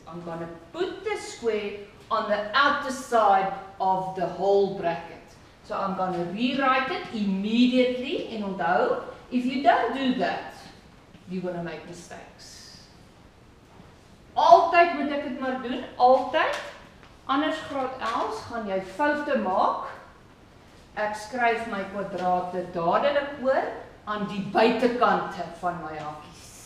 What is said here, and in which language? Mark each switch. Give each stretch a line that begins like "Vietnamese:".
English: I'm gonna put the square on the outer side of the whole bracket. So I'm gonna rewrite it immediately
Afrikaans: en onthou,
English: if you don't do that, you're going to make mistakes.
Afrikaans: Altyd moet ek dit maar doen, altyd. Anders graad 11 gaan jy foute maak. Ek skryf my kwadrate dadelik oor aan die buitekant van my hakies.